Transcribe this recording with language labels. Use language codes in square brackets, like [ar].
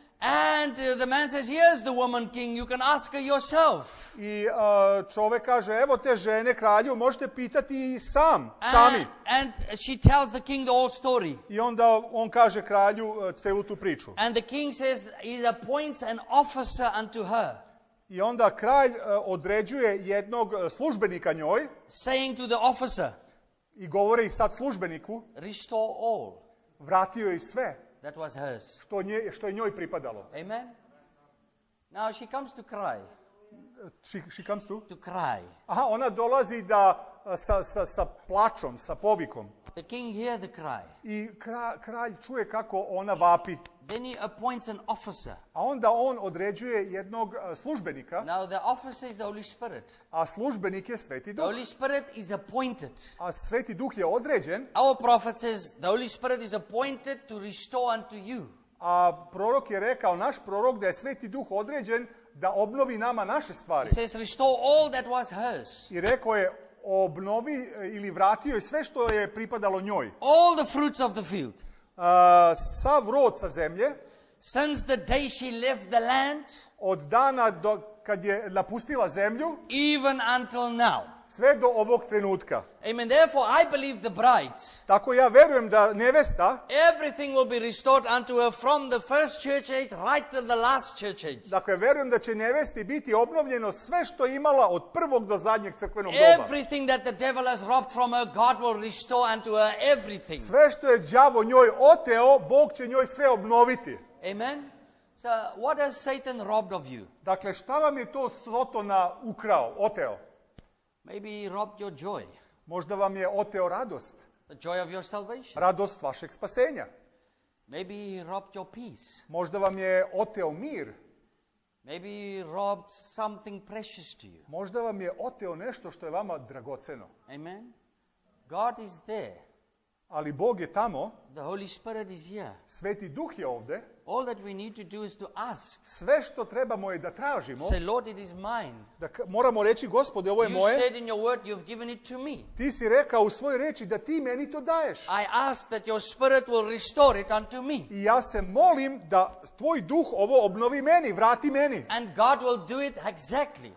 [en] And the man says, "Here's the woman, king. You can ask her yourself." [sr] I čovjek kaže, evo te žene kralju, možete pitati i sam, sami. [en] And she tells the king the whole story. [sr] I onda on kaže kralju celu tu priču. [en] And the king says he appoints an officer unto her. [sr] I onda kralj određuje jednog službenika njoj. [en] Saying to the officer. [sr] I govori sad službeniku. [en] Restore all. [sr] Vratio je sve. [en] That was hers. [sr] Što je njoj pripadalo. [en] Amen. Now she comes to cry. She comes to? To cry. [sr] Aha, ona dolazi da sa plačom, sa povikom. [en] The king hears the cry. [sr] I kralj čuje kako ona vapi. [en] Then he appoints an officer. [sr] A onda on određuje jednog službenika. [en] Now the officer is the Holy Spirit. [sr] A službenik je Sveti Duh. [en] The Holy Spirit is appointed. [sr] A Sveti Duh je određen. [en] Our prophet says the Holy Spirit is appointed to restore unto you. [sr] A prorok je rekao, naš prorok, da je Sveti Duh određen da obnovi nama naše stvari. [en] He says restore all that was hers. [sr] I rekao je obnovi ili vratio je sve što je pripadalo njoj. [en] All the fruits of the field. [sr] Sav rod sa zemlje. [en] Since the day she left the land. [sr] Od dana do kad je napustila zemlju. [en] Even until now. [sr] Sve do ovog trenutka. [en] Amen. Therefore I believe the bride. [sr] Tako ja vjerujem da nevesta. [en] Everything will be restored unto her from the first church age right to the last church age. [sr] Dakle, vjerujem da će nevesti biti obnovljeno sve što je imala od prvog do zadnjeg crkvenog doba. [en] Everything that the devil has robbed from her, God will restore unto her everything. [sr] Sve što je đavo njoj oteo, Bog će njoj sve obnoviti. [en] Amen. So what has Satan robbed of you? [sr] Dakle, šta vam je to Sotona ukrao, oteo? [en] Maybe he robbed your joy. [sr] Možda vam je oteo radost. [en] The joy of your salvation. [sr] Radost vašeg spasenja. [en] Maybe he robbed your peace. [sr] Možda vam je oteo mir. [en] Maybe he robbed something precious to you. [sr] Možda vam je oteo nešto što je vama dragoceno. [en] Amen. God is there. [sr] Ali Bog je tamo. [en] The Holy Spirit is here. [sr] Sveti Duh je ovdje. [en] All that we need to do is to ask. [sr] Sve što trebamo je da tražimo. [en] Say, Lord, it is mine. [sr] Da moramo reći, Gospode, ovo je you moje. [en] You said in your word you've given it to me. [sr] Ti si rekao u svojoj reči da ti meni to daješ. [en] I ask that your spirit will restore it unto me. [sr] I ja se molim da tvoj duh ovo obnovi meni, vrati meni. [en] And God will do it exactly.